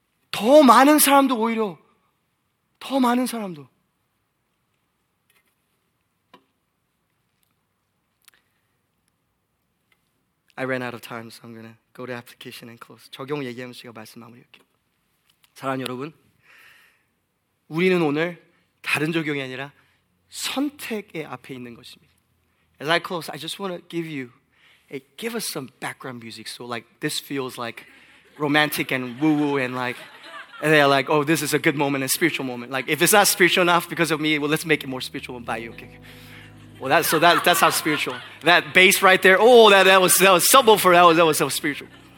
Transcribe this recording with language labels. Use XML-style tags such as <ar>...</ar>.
<ko>더 많은 사람도 오히려. 더 많은 사람도.</ko> <en>I ran out of time, so I'm going to go to application and close.</en> <ko>적용 얘기하면 제가 말씀 마무리할게요. 사랑하는 여러분, 우리는 오늘 다른 적용이 아니라 선택의 앞에 있는 것입니다.</ko> <en>As I close, I just want to give you, hey, give us some background music so like this feels like romantic and woo-woo and like, and they're like, oh, this is a good moment, a spiritual moment. Like, if it's not spiritual enough because of me, well, let's make it more spiritual by you, okay? Well, that's how spiritual. That bass right there, oh, that was subwoofer, that was so spiritual.</en>